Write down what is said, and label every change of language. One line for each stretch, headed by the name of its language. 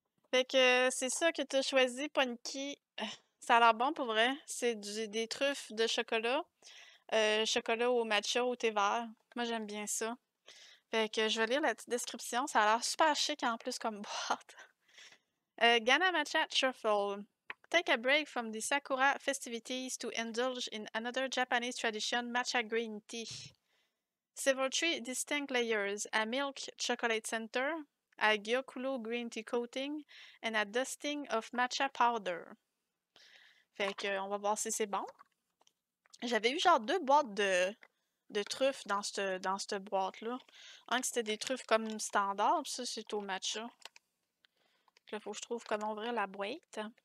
French: Fait que c'est ça que t'as choisi, Punky. Ça a l'air bon pour vrai. C'est des truffes de chocolat. Chocolat au matcha ou thé vert. Moi, j'aime bien ça. Fait que je vais lire la petite description. Ça a l'air super chic en plus comme boîte.
English: Ghana Matcha Truffle. Take a break from the Sakura festivities to indulge in another Japanese tradition, matcha green tea. Several three distinct layers, a milk chocolate center, a gyokuro green tea coating, and a dusting of matcha powder.
French: Fait que on va voir si c'est bon. J'avais eu genre deux boîtes de truffes dans cette boîte-là. Un que c'était des truffes comme standard, puis ça c'est au matcha. Là, faut que je trouve comment ouvrir la boîte.